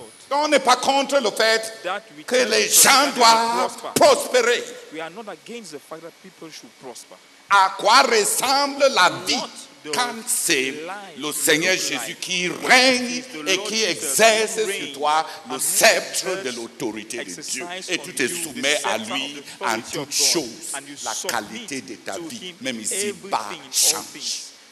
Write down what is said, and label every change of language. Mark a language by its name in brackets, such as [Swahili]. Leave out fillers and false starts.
[French] On n'est pas contre le fait que les gens doivent prospérer. [English] We are not against the fact that people should prosper. [French] À quoi ressemble la vie quand c'est le Seigneur Jésus qui règne et qui exerce sur toi le sceptre de l'autorité de Dieu et tu te soumets à lui en toutes choses. La qualité de ta vie, même ici, bas, change.